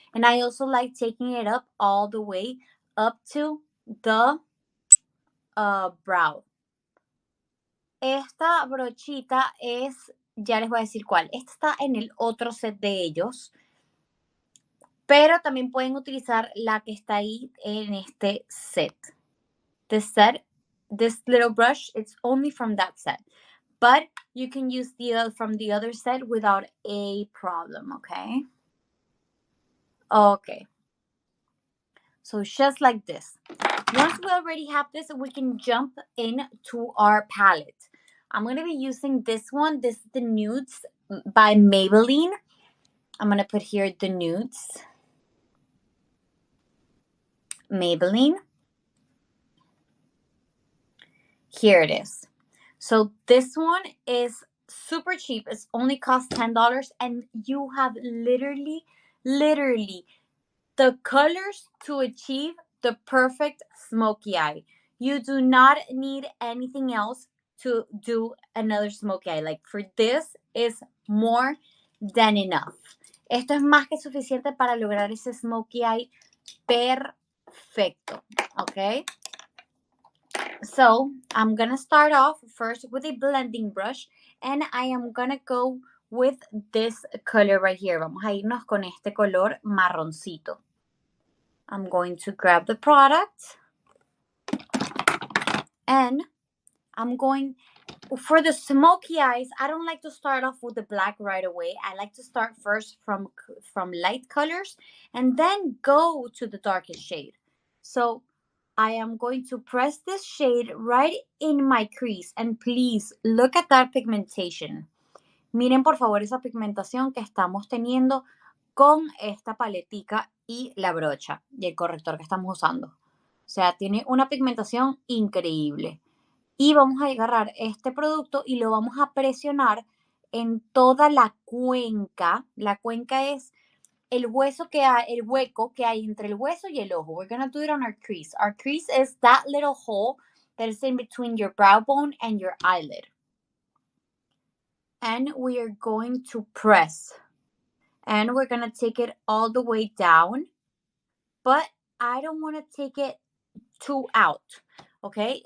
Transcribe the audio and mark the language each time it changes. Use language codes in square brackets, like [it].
[en] And I also like taking it up all the way up to the brow. [es] Esta brochita es, ya les voy a decir cuál. Esta está en el otro set de ellos. Pero también pueden utilizar la que está ahí en este set. [en] This set, this little brush, it's only from that set. But you can use the from the other set without a problem, okay? Okay. So just like this. Once we already have this, we can jump in to our palette. I'm going to be using this one. This is the Nudes by Maybelline. I'm going to put here the Nudes. Maybelline. Here it is. So this one is super cheap. It's only cost $10 and you have literally the colors to achieve the perfect smoky eye. You do not need anything else to do another smoky eye. Like for this is more than enough. [es] Esto es más que suficiente para lograr ese smoky eye perfecto, okay? [en] So I'm gonna start off first with a blending brush and I am gonna go with this color right here. [es] Vamos a irnos con este color marroncito. [en] I'm going to grab the product and I'm going for the smoky eyes. I don't like to start off with the black right away. I like to start first from light colors and then go to the darkest shade. So I am going to press this shade right in my crease. And please, look at that pigmentation. [es] Miren, por favor, esa pigmentación que estamos teniendo con esta paletica y la brocha y el corrector que estamos usando. O sea, tiene una pigmentación increíble. Y vamos a agarrar este producto y lo vamos a presionar en toda la cuenca. La cuenca es el hueso que hay, el hueco que hay entre el hueso y el ojo. [en] We're going to do it on our crease. Our crease is that little hole that is in between your brow bone and your eyelid. And we are going to press. And we're going to take it all the way down. But I don't want to take it too out. Okay?